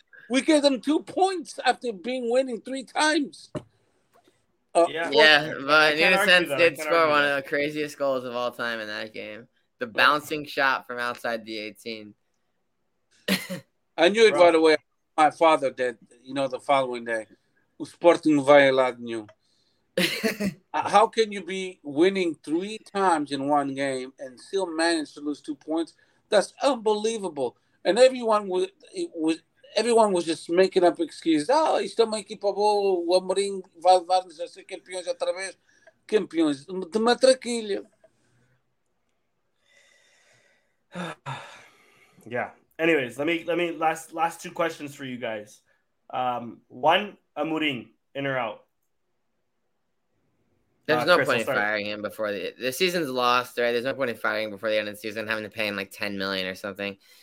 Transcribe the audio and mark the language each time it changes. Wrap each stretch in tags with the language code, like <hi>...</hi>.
<en>We gave them 2 points after being winning 3 times. But Nuno Mendes did score one of the craziest goals of all time in that game. The bouncing shot from outside the 18. I knew it, bro. By the way. My father did, you know, the following day.</en> <pt>O Sporting vai lá de novo.</pt> <en>How can you be winning 3 times in one game and still manage to lose 2 points? That's unbelievable. And everyone was just making up excuses.</en> <pt>Ah, isto é uma equipa boa, o Amorim vai levar-nos a ser campeões outra vez. Campeões de matraquilha.</pt> <en>Yeah. Anyways, let me last 2 questions for you guys. One, Amorim, in or out? There's no point in firing him before the season's lost, right? There's no point in firing before the end of the season, having to pay him like $10 million or something.</en>